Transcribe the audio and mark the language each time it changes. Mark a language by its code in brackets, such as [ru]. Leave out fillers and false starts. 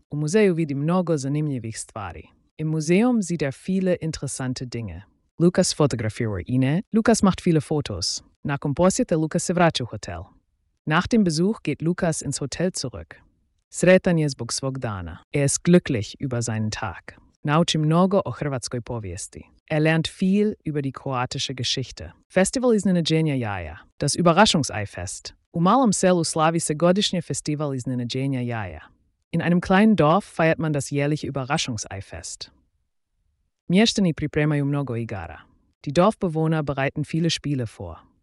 [hr] U muzeju vidi mnogo zanimljivih stvari. [de] Im Museum sieht er viele interessante Dinge. [hr] Lukas fotografira ine. [de] Lukas macht viele Fotos. [hr] Nakon posjete Lukas se vraća u hotel. [de] Nach dem Besuch geht Lukas ins Hotel zurück. [hr] Sretan je zbog svog dana. [de] Er ist glücklich über seinen Tag. [hr] Nauči mnogo o hrvatskoj povijesti. [de] Er lernt viel über die kroatische Geschichte. [hr] Festival iz nenađenja jaja. [de] Das Überraschungseifest. [hr] U malom selu slavi se godišnje festival iz nenađenja jaja. [de] In einem kleinen Dorf feiert man das jährliche Überraschungseifest. [hr] Mještani pripremaju mnogo igara. [de] Die Dorfbewohner bereiten viele Spiele vor.